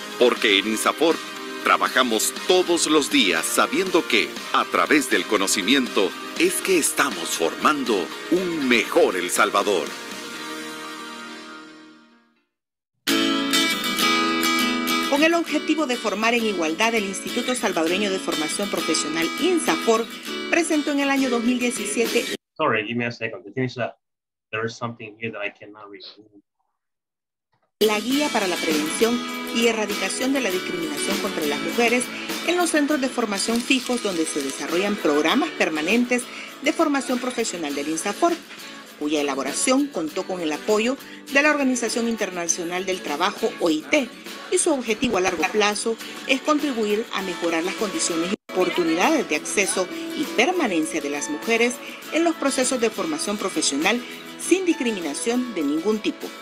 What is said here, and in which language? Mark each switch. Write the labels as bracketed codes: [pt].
[es] Porque en INSAFORP trabajamos todos los días sabiendo que, a través del conocimiento, es que estamos formando un mejor El Salvador. Con el objetivo de formar en igualdad, el Instituto Salvadoreño de Formación Profesional INSAFORP presentó en el año 2017... [en] Sorry, give me a second. There is something here that I cannot read. [es] La guía para la prevención y erradicación de la discriminación contra las mujeres en los centros de formación fijos donde se desarrollan programas permanentes de formación profesional del INSAFORP, cuya elaboración contó con el apoyo de la Organización Internacional del Trabajo, OIT, y su objetivo a largo plazo es contribuir a mejorar las condiciones y oportunidades de acceso y permanencia de las mujeres en los procesos de formación profesional sin discriminación de ningún tipo.